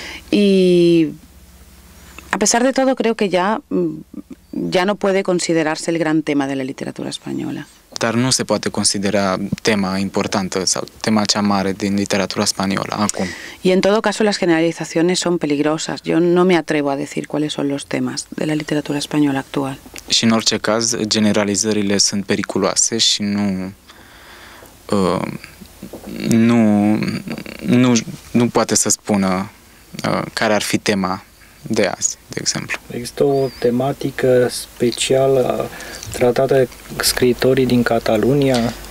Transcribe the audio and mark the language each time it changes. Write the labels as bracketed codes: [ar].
[es] Y a pesar de todo, creo que ya no puede considerarse el gran tema de la literatura española. [ro] Dar nu se poate considera tema importantă sau tema cea mare din literatura spaniolă acum. [es] Y en todo caso las generalizaciones son peligrosas. Yo no me atrevo a decir cuáles son los temas de la literatura española actual. [ro] Și în orice caz, generalizările sunt periculoase și nu poate să spună care ar fi tema de azi, de exemplu. Există o tematică specială tratată de scriitorii din Catalunia?